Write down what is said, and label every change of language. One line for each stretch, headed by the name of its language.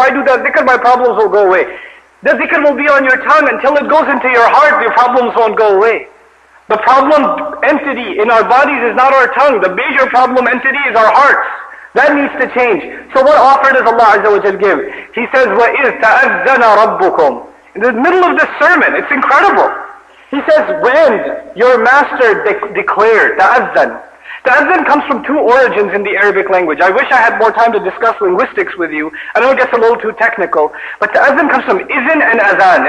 English: If I do that zikr, my problems will go away. The zikr will be on your tongue until it goes into your heart, your problems won't go away. The problem entity in our bodies is not our tongue. The major problem entity is our hearts. That needs to change. So what offer does Allah Azza wa Jal give? He says,
Arabic: وَإِذْ تَأَذَّنَ رَبُّكُمْ.
English: In the middle of this sermon, it's incredible. He says, when your master declared, تَأَذَّن. تَأَذَّن comes from two origins in the Arabic language. I wish I had more time to discuss linguistics with you. I know it gets a little too technical. But تَأَذَّن comes from إِذْن and أَذَان.